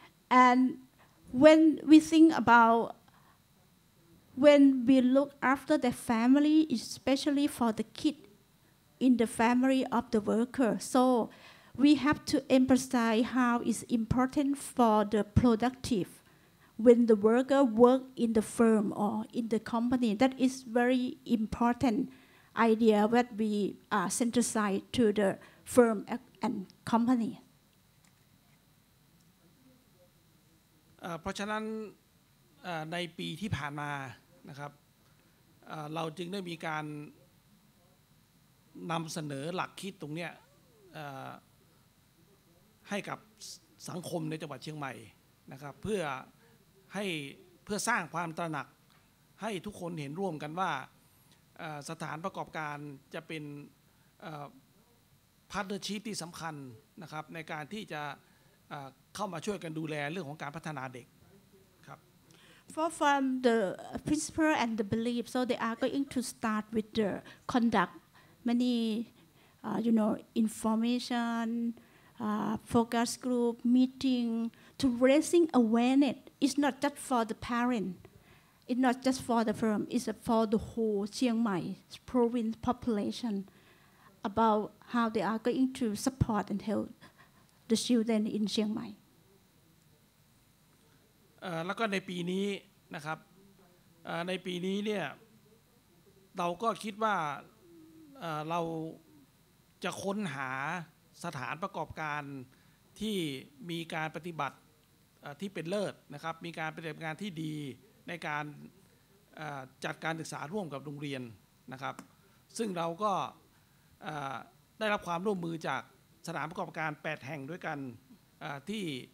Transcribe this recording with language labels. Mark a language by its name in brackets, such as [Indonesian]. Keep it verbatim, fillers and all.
[English] And when we think about when we look after the family, especially for the kid in the family of the worker, so we have to emphasize how it's important for the productive when the worker work in the firm or in the company. That is very important idea that we uh, synthesize to the firm ac- and company. [Thai] เอ่อเพราะฉะนั้นเอ่อในปีที่ผ่านมานะครับเอ่อเราจึงได้มีการนำเสนอหลักคิดตรงเนี้ยเอ่อให้กับสสังคมในจังหวัดเชียงใหม่นะครับเพื่อให้เพื่อสร้างความตระหนักให้ทุกคนเห็นร่วมกันว่าเอ่อสถานประกอบการจะเป็น พาร์ทเนอร์ชีพที่สำคัญนะครับในการที่จะเอ่อเข้ามาช่วยกันดูแลเรื่องของการพัฒนาเด็กครับ [English] For from the principle and the belief, so they are going to start with the conduct, many, uh, you know, information, uh, focus group, meeting, to raising awareness. It's not just for the parent, it's not just for the firm, it's for the whole Chiang Mai province population about how they are going to support and help the children in Chiang Mai. [Thai] เอ่อแล้วก็ในปีนี้นะครับเอ่อในปีนี้เนี่ยเราก็คิดว่าเอ่อเราจะค้นหาสถานประกอบการที่มีการปฏิบัติเอ่อที่เป็นเลิศนะครับมีการปฏิบัติงานที่ดีในการเอ่อจัดการศึกษาร่วมกับโรงเรียนนะครับซึ่งเราก็เอ่อได้รับความร่วมมือจากสถานประกอบการแปดแห่งด้วยกันเอ่อที่